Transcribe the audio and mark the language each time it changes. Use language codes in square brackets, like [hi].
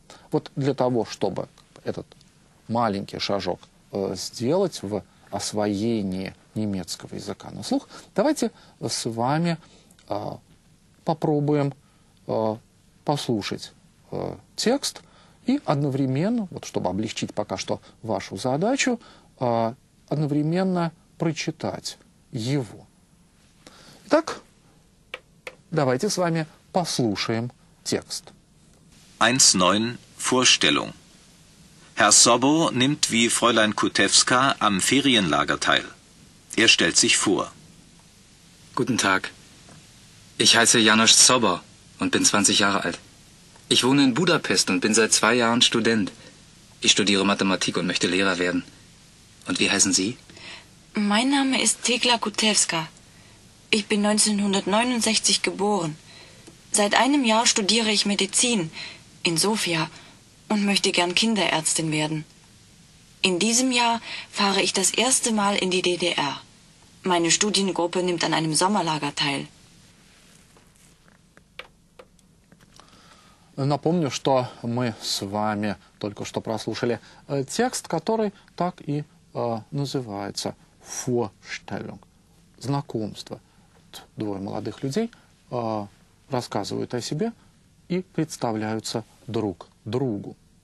[ru] Вот для того, чтобы этот маленький шажок сделать в освоении немецкого языка на слух, давайте с вами попробуем послушать текст и одновременно, вот чтобы облегчить пока что вашу задачу, одновременно прочитать его. Итак, давайте с вами послушаем текст. [de] 1.9. Vorstellung. Herr Sobo nimmt wie Fräulein Kutewska am Ferienlager teil. Er stellt sich vor. Guten Tag. Ich heiße Janosch Sobo und bin 20 Jahre alt. Ich wohne in Budapest und bin seit 2 Jahren Student. Ich studiere Mathematik und möchte Lehrer werden. Und wie heißen Sie? Mein Name ist Tekla Kutewska. Ich bin 1969 geboren. Seit einem Jahr studiere ich Medizin in Sofia und möchte gern Kinderärztin werden. In diesem Jahr fahre ich das erste Mal in die DDR. Meine Studiengruppe nimmt an einem Sommerlager teil. [ru] Напомню, что мы с вами только что прослушали текст, который так и называется «Vorstellung» – «Знакомство». Двое молодых людей рассказывают о себе и представляются друг другу.